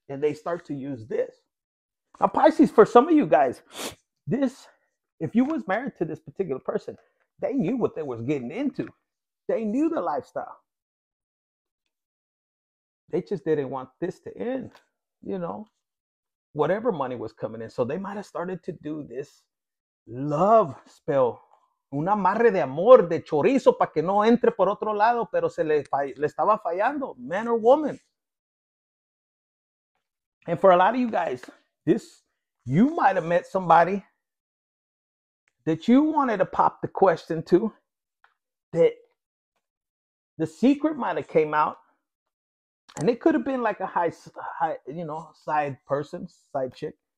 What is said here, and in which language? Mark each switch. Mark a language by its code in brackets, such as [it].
[en] And they start to use this. Now, Pisces, for some of you guys, this, if you was married to this particular person, they knew what they was getting into. They knew the lifestyle. They just didn't want this to end, you know, whatever money was coming in. So they might have started to do this love spell. [es] Un amarre de amor, de chorizo, para que no entre por otro lado, pero se le estaba fallando, [en] man or woman. And for a lot of you guys, this, you might have met somebody that you wanted to pop the question to, that the secret might have came out. And it could have been like a high, you know, side person, side chick.